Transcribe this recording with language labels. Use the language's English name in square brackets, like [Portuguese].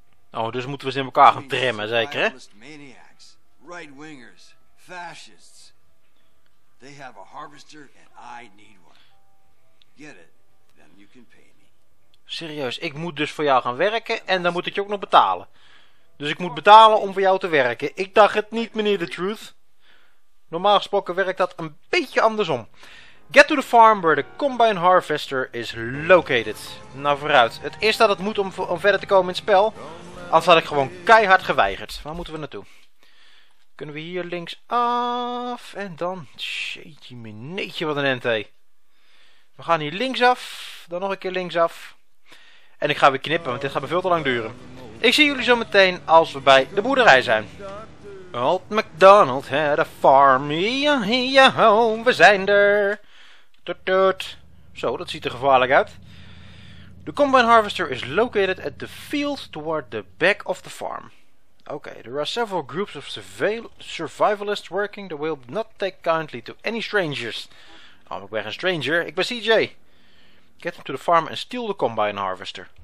[Dutch] Oh, dus moeten we ze in elkaar gaan trimmen, zeker, hè? [English] Maniacs, right-wingers, fascists. They have a harvester and I need one. Get it, then you can pay me. [Dutch] Serieus, ik moet dus voor jou gaan werken en dan moet ik je ook nog betalen. Dus ik moet betalen om voor jou te werken. Ik dacht het niet, meneer The Truth. Normaal gesproken werkt dat een beetje andersom. [English] Get to the farm where the combine harvester is located. [Dutch] Nou vooruit, het eerste dat het moet om verder te komen in het spel. Anders had ik gewoon keihard geweigerd. Waar moeten we naartoe? Kunnen we hier links af en dan... Jeetje meneetje, wat een ente. We gaan hier links af, dan nog een keer links af. En ik ga weer knippen, want dit gaat me veel te lang duren. Ik zie jullie zo meteen als we bij de boerderij zijn. [English] Old MacDonald had a farm, [Dutch] we zijn er. Tut tut. Zo, dat ziet er gevaarlijk uit. [English] The combine harvester is located at the field toward the back of the farm. Okay, there are several groups of survivalists working that will not take kindly to any strangers. [Dutch] Oh, ik ben geen stranger, ik ben CJ. [English] Get them to the farm and steal the combine harvester.